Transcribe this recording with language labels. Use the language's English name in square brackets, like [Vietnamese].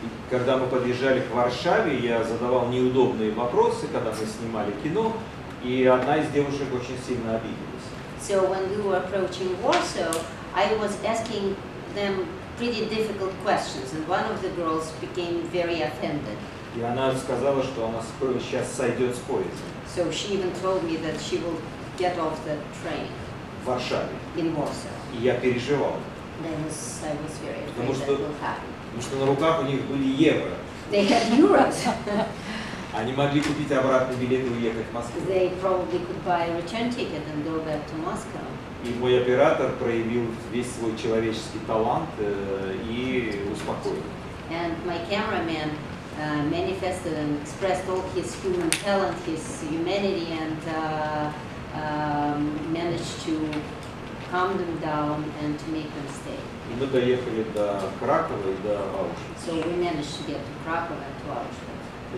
[Russian] Когда мы подъезжали к Варшаве, я задавал неудобные вопросы, когда мы снимали кино, и одна из девушек очень сильно обиделась. [English] So when we were approaching Warsaw, I was asking them pretty difficult questions, and one of the girls became very offended. [Russian] И она сказала, что она сейчас сойдет с поезда. [English] So she even told me that she will get off the train. [Russian] В Варшаве. [English] In Warsaw. [Russian] И я переживал. [English] I was very afraid that will happen. [Russian] Потому что на руках у них были евро. [English] They had euros. [Russian] Они могли купить обратный билет и уехать в Москву. [English] They probably could buy a return ticket and go back to Moscow. [Russian] И мой оператор проявил весь свой человеческий талант и успокоил. [English] And my cameraman manifested and expressed all his human talent, his humanity, and managed to calm them down and to make them stay. [Russian] И мы доехали до Кракова и до Аушвиц. [English] So we managed to get to Krakow and to Auschwitz.